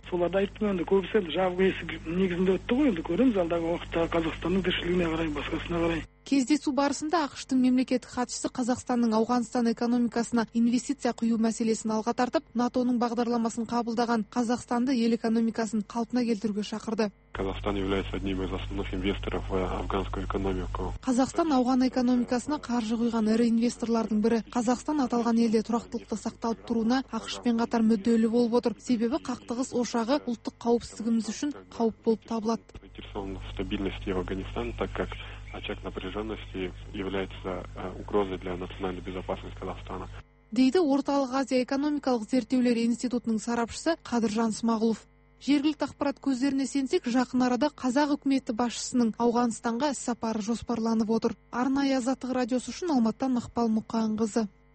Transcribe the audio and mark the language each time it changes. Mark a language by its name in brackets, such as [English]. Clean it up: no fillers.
[Kazakh] Соларды айттым енді көбісі енді жабық есік негізінде өтті ғой, енді көреміз алдағы уақытта Қазақстанның тіршілігіне қарай, басқасына қарай. Кездесу барысында ақштың мемлекеттік хатшысы Қазақстанның Ауғанстан экономикасына инвестиция құю мәселесін алға тартып, НАТО-ның бағдарламасын қабылдаған Қазақстанды ел экономикасын қалпына келтіруге шақырды. [Russian] Казахстан является одним из основных инвесторов в афганскую экономику. [Kazakh] Қазақстан ауған экономикасына қаржы құйған ірі инвесторлардың бірі. Қазақстан аталған елде тұрақтылықты сақталып тұруына ақшпен қатар мүдделі болып отыр. Себебі қақтығыс ошағы ұлттық қауіпсіздігіміз үшін қауіп болып табылады. [Russian] Стабильность в Афганистане, так как очаг напряженности является угрозой для национальной безопасности Казахстана. [Kazakh] Дейді Орталық Азия экономикалық зерттеулер институтының сарапшысы Қадыржан Смағұлов. Жергілікті ақпарат көздеріне сенсек, жақын арада қазақ үкіметі басшысының Ауғанстанға іссапары жоспарланып отыр. Арнайы Азаттық радиосы үшін Алматыдан Мақпал Мұқанқызы.